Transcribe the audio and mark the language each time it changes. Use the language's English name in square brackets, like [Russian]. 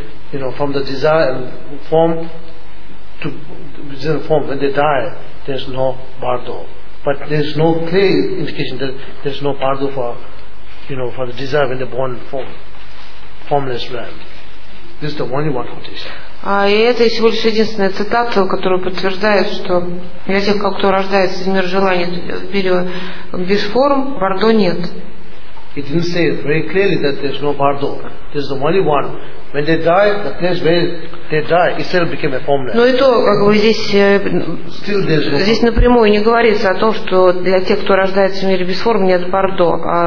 [English] You know, from the desire and form to within the form, when they die, there's no Бардо. But there's no clear indication that there's no Бардо for, you know, for the desire when they're born in form, formless realm. This is the only one quotation. [Russian] А это всего лишь единственная цитата, которая подтверждает, что для тех, кто рождается из мира желаний в мире без форм, Бардо нет. [English] He didn't say it very clearly that there's no Бардо. This is the only one. When they die, the place where they die itself became a formless. [Russian] Но и то, как бы здесь, здесь напрямую не говорится о том, что для тех, кто рождается в мире без форм, нет Бардо.